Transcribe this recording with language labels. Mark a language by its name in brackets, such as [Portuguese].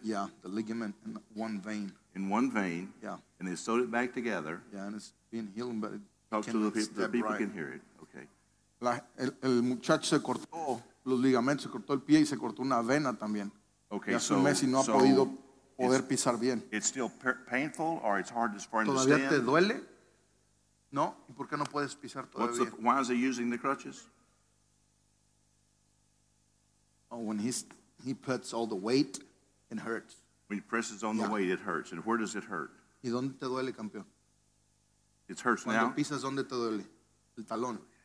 [English] Yeah, the ligament in one vein. In one vein? Yeah. And they sewed it back together? Yeah, and it's been healing, but it talk to the people right. Can hear it. Okay. [Spanish] El muchacho se cortó los ligamentos, se cortó el pie y se cortó una vena también. [English] Okay, [Spanish] y hace un mes y no ha podido poder pisar bien. [English] It's still painful or it's hard as far as [Spanish] ¿todavía te duele? No, ¿y por qué no puedes pisar todavía? [English] Why is he using the crutches? Oh, when he puts all the weight, it hurts. When he presses on the weight, it hurts. And where does it hurt? [Spanish] ¿Y dónde te duele, campeón? [English] It hurts [Spanish] cuando [English] now. [Spanish] Cuando pisas, ¿dónde te duele? El talón.